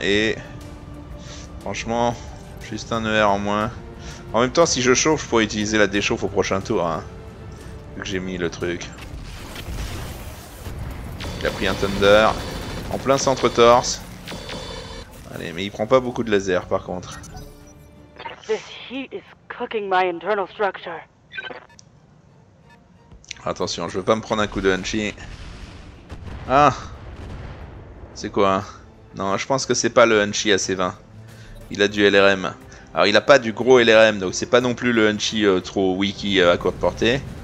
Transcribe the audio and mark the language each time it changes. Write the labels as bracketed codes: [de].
[fr] Et franchement, juste un ER en moins. En même temps, si je chauffe, je pourrais utiliser la déchauffe au prochain tour, hein, vu que j'ai mis le truc. Il a pris un Thunder en plein centre torse. Allez, mais il prend pas beaucoup de laser par contre. [en] This heat is cooking my internal structure. [fr] Attention, je veux pas me prendre un coup de Hunchy. Ah! C'est quoi, hein? Non, je pense que c'est pas le Hunchy à C20. Il a du LRM. Alors, il a pas du gros LRM, donc c'est pas non plus le Hunchy trop wiki à court portée.